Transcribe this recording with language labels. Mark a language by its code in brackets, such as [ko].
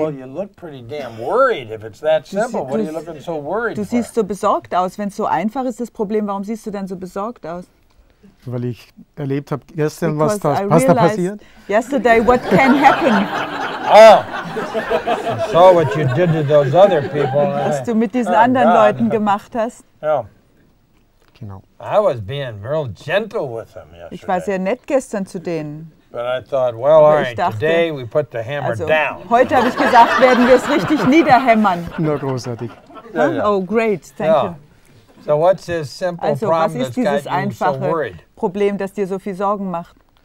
[en] Well, you look pretty damn worried if it's that simple. What are you looking so worried [de] du [en] for? [de] Du siehst so besorgt aus. Wenn es so einfach ist, das Problem, warum siehst du denn so besorgt aus? Weil ich erlebt habe gestern, was da passiert. [en] Yesterday, what can happen? Oh, I saw what you did to those other people. [de] Was du mit diesen anderen Leuten gemacht hast. Ja. Genau. [en] I was being real gentle with them yesterday. [de] Ich war sehr nett gestern zu denen. [en] But I thought, well, all right, today we put the hammer down. [de] Heute habe ich gesagt, werden wir es richtig niederhämmern. Na, großartig. [en] Huh? Yeah, yeah. Oh, great, thank you. So what's this simple problem that's got you so worried? [de] Was ist dieses einfache Problem, das dir so viel Sorgen macht?